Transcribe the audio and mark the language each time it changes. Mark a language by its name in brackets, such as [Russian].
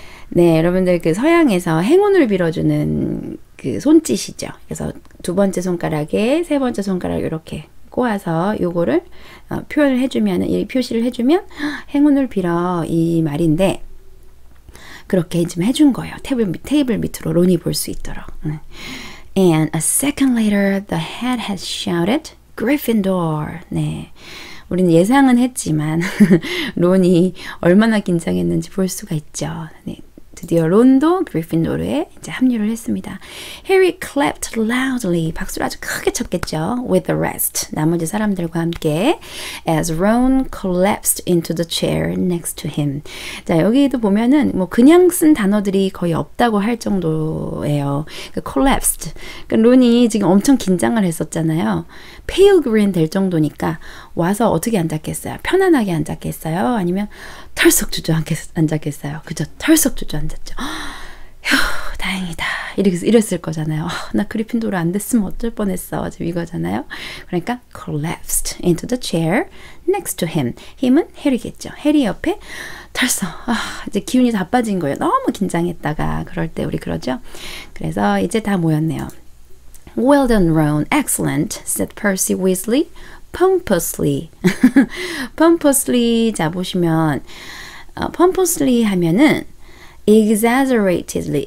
[Korean] 네, 여러분들 그 서양에서 행운을 빌어주는 그 손짓이죠. 그래서 두 번째 손가락에 세 번째 손가락 이렇게 꼬아서 요거를 표현을 해주면 이 표시를 해주면 행운을 빌어 이 말인데 그렇게 지금 해준 거예요. 테이블 밑으로 론이 볼 수 있도록. [English] And a second later, the head has shouted, "Gryffindor." [Korean] 네, 우리는 예상은 했지만 론이 얼마나 긴장했는지 볼 수가 있죠. 네. 드디어 론도 그리핀도르에 이제 합류를 했습니다. [English] Harry clapped loudly. [Korean] 박수를 아주 크게 쳤겠죠. [English] With the rest. [Korean] 나머지 사람들과 함께. [English] As Ron collapsed into the chair next to him. [Korean] 자, 여기도 보면은 뭐 그냥 쓴 단어들이 거의 없다고 할 정도예요. 그 collapsed. 그러니까 론이 지금 엄청 긴장을 했었잖아요. Pale green 될 정도니까 와서 어떻게 앉았겠어요? 편안하게 앉았겠어요? 아니면 털썩 주저앉았겠어요? 그죠? 털썩 주저앉았죠. 휴, 다행이다. 이랬을 거잖아요. 나 그리핀도르 안 됐으면 어쩔 뻔했어. 지금 이거잖아요. 그러니까 [English] collapsed into the chair next to him. [Korean] Him은 해리겠죠. 해리 옆에 털썩. 이제 기운이 다 빠진 거예요. 너무 긴장했다가 그럴 때 우리 그러죠. 그래서 이제 다 모였네요. [English] Well done, Ron. Excellent, said Percy Weasley. Pompously. Pompously. [Korean] 자, 보시면 pompously 하면은 exaggeratedly.